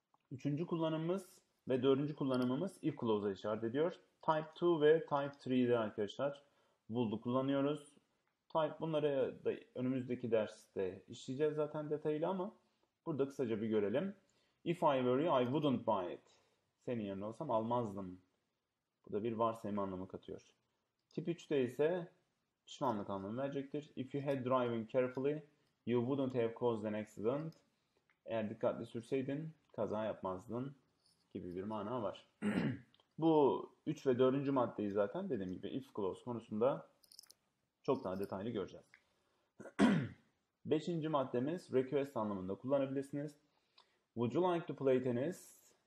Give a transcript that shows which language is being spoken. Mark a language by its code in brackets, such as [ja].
[tr] Üçüncü kullanımımız ve dördüncü kullanımımız if clause'a işaret ediyor. Type 2 ve Type 3'de arkadaşlar kullanıyoruz. Type bunları da önümüzdeki derste işleyeceğiz zaten detaylı ama burada kısaca bir görelim. [en] If I were you, I wouldn't buy it. [tr] Senin yerine olsam almazdım. Bu da bir varsayım anlamı katıyor. Tip 3'te ise pişmanlık anlamı verecektir. [en] If you had driven carefully, you wouldn't have caused an accident. [tr] Eğer dikkatli sürseydin, kaza yapmazdın gibi bir mana var. Bu 3 ve 4. maddeyi zaten dediğim gibi if clause konusunda çok daha detaylı göreceğiz. 5. maddemiz request anlamında kullanabilirsiniz. [en] Would you like to play tennis?